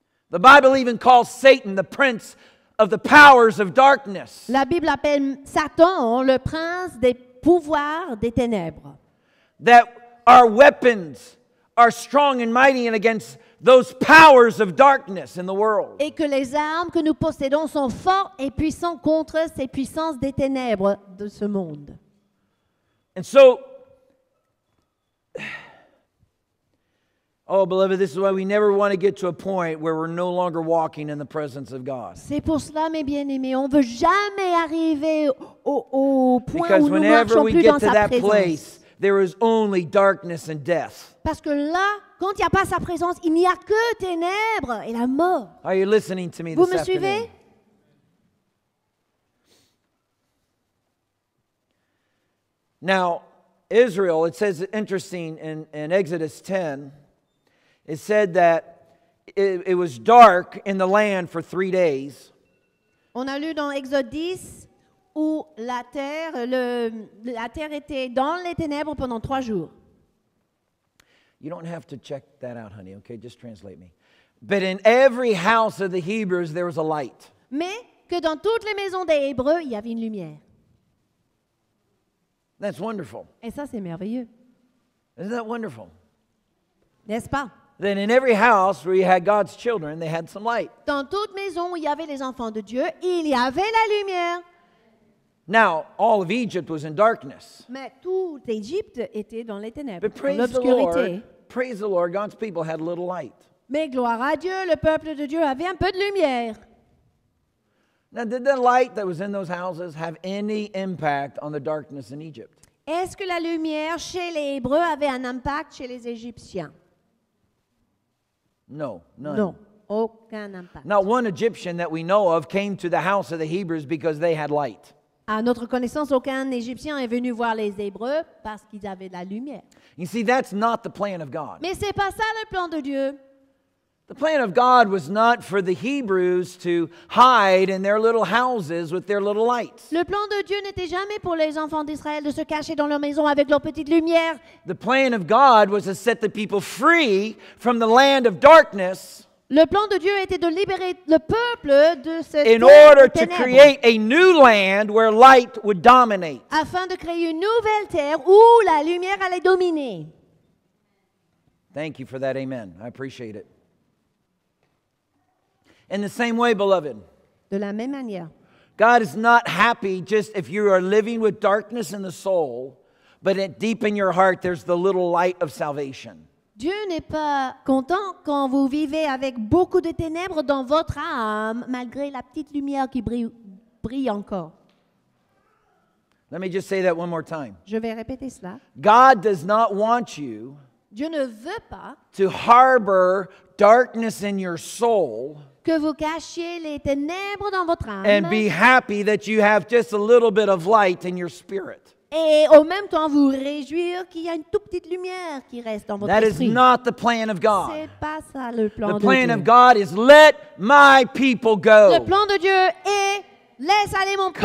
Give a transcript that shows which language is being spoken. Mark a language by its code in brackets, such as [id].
[en] The Bible even calls Satan the prince of the powers of darkness. [fr] La Bible appelle Satan le prince des pouvoirs des ténèbres. [en] That our weapons are strong and mighty and against those powers of darkness in the world. [fr] Et que les armes que nous possédons sont fortes et puissantes contre ces puissances des ténèbres de ce monde. [en] And so, oh beloved, this is why we never want to get to a point where we're no longer walking in the presence of God. [fr] C'est pour cela, mes bien-aimés, on veut jamais arriver au point où nous marchons plus dans sa présence. [en] Because whenever we get to that place, there is only darkness and death. [fr] Parce que là, quand il n'y a pas sa présence, il n'y a que ténèbres et la mort. [en] Are you listening to me this afternoon? [fr] Vous me suivez? [en] Now, Israel, it says interesting in Exodus 10, it said that it was dark in the land for 3 days. [fr] On a lu dans Exode 10 où la terre était dans les ténèbres pendant 3 jours. [en] You don't have to check that out, honey, okay? Just translate me. But in every house of the Hebrews, there was a light. [fr] Mais que dans toutes les maisons des Hébreux, il y avait une lumière. [en] That's wonderful. [fr] Et ça, c'est merveilleux. [en] Isn't that wonderful? [fr] N'est-ce pas? [en] Then in every house where you had God's children, they had some light. [fr] Dans toute maison où il y avait les enfants de Dieu, il y avait la lumière. [en] Now, all of Egypt was in darkness. [fr] Mais toute Égypte était dans les ténèbres, [en] but praise [fr] l'obscurité. [en] The Lord, praise the Lord, God's people had a little light. [fr] Mais gloire à Dieu, le peuple de Dieu avait un peu de lumière. [en] Now, did the light that was in those houses have any impact on the darkness in Egypt? [fr] Est-ce que la lumière chez les Hébreux avait un impact chez les Égyptiens? [en] No, none. [fr] Non, aucun impact. [en] Not one Egyptian that we know of came to the house of the Hebrews because they had light. [fr] À notre connaissance, aucun Égyptien est venu voir les Hébreux parce qu'ils avaient de la lumière. [en] You see, that's not the plan of God. [fr] Mais c'est pas ça le plan de Dieu. [en] The plan of God was not for the Hebrews to hide in their little houses with their little lights. [fr] Le plan de Dieu n'était jamais pour les enfants d'Israël de se cacher dans leur maison avec leur petite lumière. [en] The plan of God was to set the people free from the land of darkness. [fr] Le plan de Dieu était de libérer le peuple de cette terre. [en] In order to create a new land where light would dominate. [fr] Afin de créer une nouvelle terre où la lumière allait dominer. [en] Thank you for that, amen. I appreciate it. In the same way, beloved. [fr] De la même manière. [en] God is not happy just if you are living with darkness in the soul, but deep in your heart there's the little light of salvation. [fr] Dieu n'est pas content quand vous vivez avec beaucoup de ténèbres dans votre âme, malgré la petite lumière qui brille encore. [en] Let me just say that one more time. [fr] Je vais répéter cela. [en] God does not want you. [fr] Dieu ne veut pas. [en] To harbor darkness in your soul. [fr] Que vous cachiez les ténèbres dans votre âme. [en] And be happy that you have just a little bit of light in your spirit. [fr] Et au même temps vous réjouir qu'il y a une toute petite lumière qui reste dans votre [en] that [fr] esprit. [en] That is not the plan of God. [fr] C'est pas ça le plan [en] the [fr] plan Dieu. [en] Of God is let my people go. [fr] Le plan de Dieu est laisse aller mon peuple.